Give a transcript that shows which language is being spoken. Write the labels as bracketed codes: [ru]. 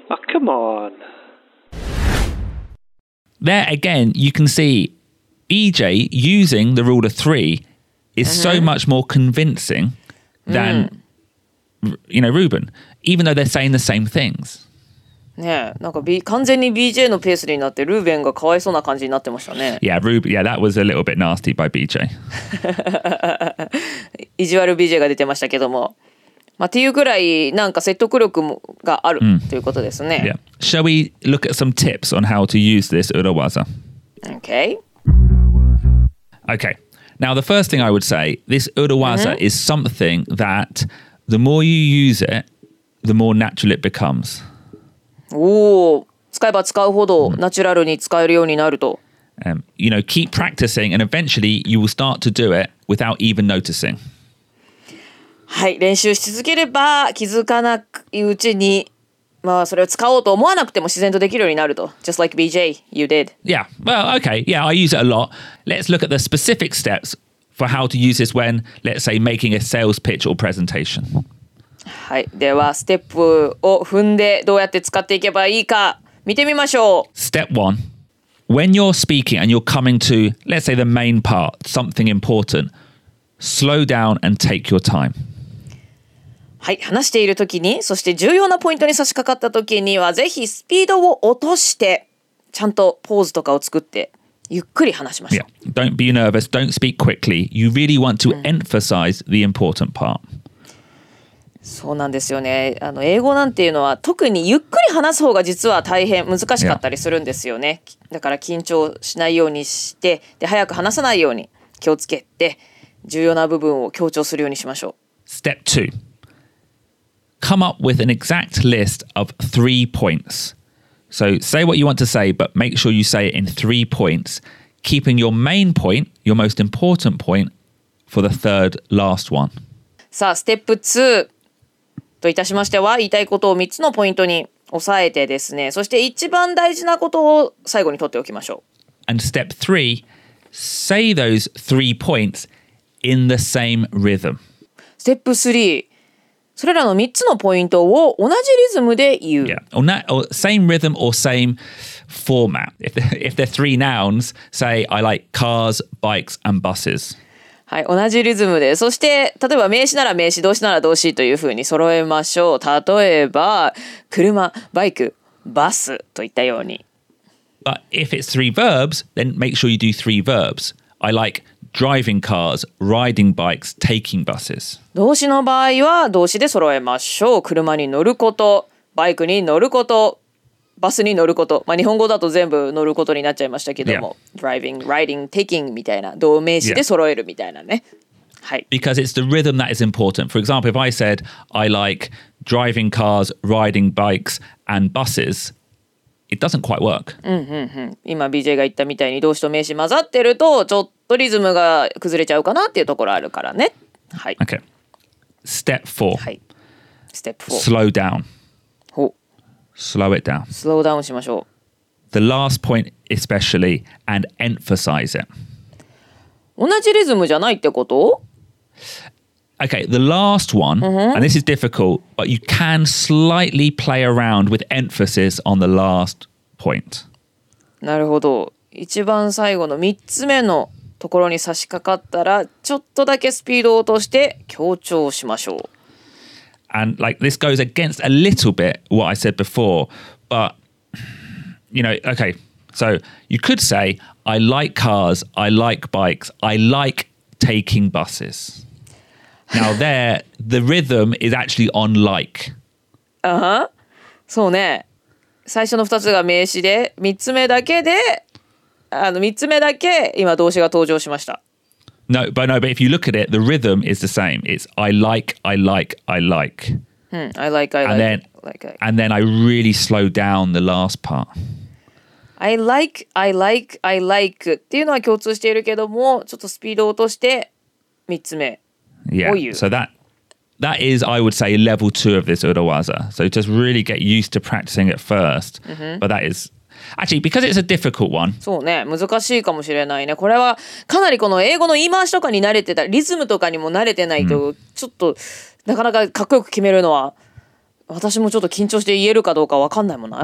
[en] Oh, come on. There again, you can see BJ using the rule of three is、mm-hmm. so much more convincing than,、mm. you know, Ruben, even though they're saying the same things. [ja] ね、なんか完全に BJ のペースになってルーベンがかわいそうな感じになってましたね。 [en] Yeah, yeah, that was a little bit nasty by BJ. [ja] 意地悪 BJ が出てましたけども、まあ、っていうぐらいなんか説得力がある、mm. ということですね。 [en] Yeah. Shall we look at some tips on how to use this urawaza? Okay. Okay. Now, the first thing I would say, this urawaza、mm-hmm. is something that the more you use it, the more natural it becomes. Ooh. [ja] 使えば使うほどナチュラルに使えるようになると、 [en] you know, keep practicing and eventually you will start to do it without even noticing. [ja] はい、練習し続ければ気づかないうちに、まあ、それを使おうと思わなくても自然とできるようになると。 [en] Just like BJ, you did. Yeah, well, okay, yeah, I use it a lot. Let's look at the specific steps for how to use this when, let's say, making a sales pitch or presentation. [ja] はい、ではステップを踏んでどうやって使っていけばいいか見てみましょう。 [en] Step one, when you're speaking and you're coming to, let's say the main part, something important, slow down and take your time. [ja] はい、話しているときに、そして重要なポイントに差し掛かったときには、ぜひスピードを落として、ちゃんとポーズとかを作って、ゆっくり話しましょう。 [en] Yeah. Don't be nervous, don't speak quickly. You really want to emphasize the important part. [ja] そうなんですよね。あの英語なんていうのは特にゆっくり話す方が実は大変難しかったりするんですよね。だから緊張しないようにして、で早く話さないように気をつけて、重要な部分を強調するようにしましょう。 [en] Step 2. Come up with an exact list of three points. So say what you want to say, but make sure you say it in three points, keeping your main point, your most important point, for the third last one. [ja] さあ、ステップ2といたしましては、言いたいことを3つのポイントに押さえてですね、そして一番大事なことを最後に取っておきましょう。 [en] And step 3, say those three points in the same rhythm. [ja] ステップ3、それらの3つのポイントを同じリズムで言う。 [en] Yeah, or, not, or same rhythm or same format. If they're three nouns, say I like cars, bikes and buses. [ja] はい、同じリズムで、そして例えば名詞なら名詞、動詞なら動詞というふうに揃えましょう。例えば車、バイク、バスといったように。 [en] But if it's three verbs, then make sure you do three verbs. I like driving cars, riding bikes, taking buses. [ja] 動詞の場合は動詞で揃えましょう。車に乗ること、バイクに乗ること、バスに乗ること、まあ、日本語だと全部乗ることになっちゃいましたけども、yeah. [en] driving, riding, taking [ja] みたいな動名詞で揃えるみたいなね、yeah. はい。 [en] Because it's the rhythm that is important. For example, if I said I like driving cars, riding bikes and buses, it doesn't quite work. [ja] うんうんうん。今 BJ が言ったみたいに動詞と名詞混ざってるとちょっとリズムが崩れちゃうかなっていうところあるからね。はい。 [en] Okay. Step 4. はい。Step 4. Slow down. Slow it down. Slow down [ja] しましょう。 [en] The last point especially, and emphasize it. [ja] 同じリズムじゃないってこと？ [en] Okay, the last one,、mm-hmm. and this is difficult, but you can slightly play around with emphasis on the last point. [ja] なるほど。一番最後の3つ目のところに差し掛かったら、ちょっとだけスピードを落として強調しましょう。 [en] And like this goes against a little bit what I said before, but you know, okay, so you could say, I like cars, I like bikes, I like taking buses. Now there, the rhythm is actually on like. [ja] Uh-huh. そうね。最初の2つが名詞で、3つ目だけで、あの3つ目だけ今動詞が登場しました。 [en] No, but no, but if you look at it, the rhythm is the same. It's I like, I like, I like. I like, I like, like. And then I really slow down the last part. I like, I like, I like. [ja] っていうのは共通しているけども、ちょっとスピードを落として3つ目。 [en] Yeah, so that is, I would say, level 2 of this urawaza. So just really get used to practicing it first. But that is... Actually, because it's a difficult one. [ja] そうね、難しいかもしれないね。これはかなりこの英語の言い回しとかに慣れてた、リズムとかにも慣れてないと、ちょっとなかなかかっこよく決めるのは、私もちょっと緊張して言えるかどうかわかんないもんな。